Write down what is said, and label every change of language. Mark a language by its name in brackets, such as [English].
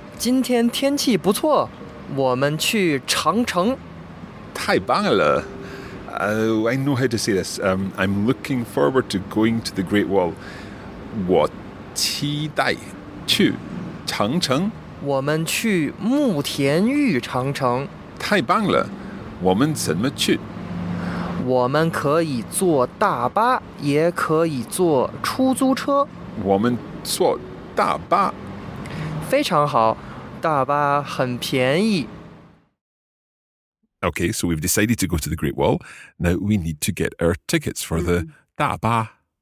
[Chinese] 今天天气不错, 我们去长城. 太棒了。 [English] I know how to say this. I'm looking forward to going to the Great Wall. [Chinese] 我期待去长城。我们去慕田峪长城。太棒了！我们怎么去？我们可以坐大巴，也可以坐出租车。我们坐大巴。非常好，大巴很便宜。 [English] Okay, so we've decided to go to the Great Wall. Now we need to get our tickets for the 大巴.